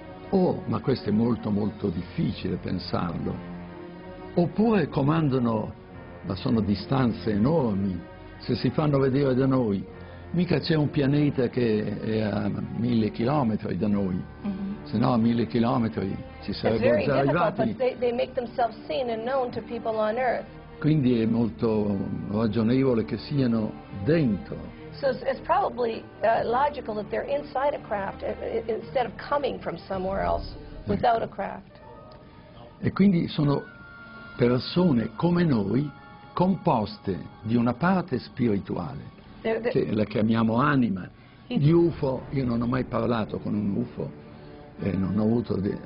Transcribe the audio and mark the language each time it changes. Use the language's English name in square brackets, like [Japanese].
[Italian] Oh, ma questo è molto molto difficile pensarlo. Oppure comandano, ma sono distanze enormi, se si fanno vedere da noi. Mica c'è un pianeta che è a 1000 chilometri da noi, se no a 1000 chilometri ci sarebbero già arrivati. [English] They make themselves seen and known to people on Earth. [Italian] Quindi è molto ragionevole che siano dentro. [English] So it's probably logical that they're inside a craft instead of coming from somewhere else without a craft. [Italian] E quindi sono persone come noi, composte di una parte spirituale, che la chiamiamo anima. Gli UFO, io non ho mai parlato con un UFO, e non ho avuto...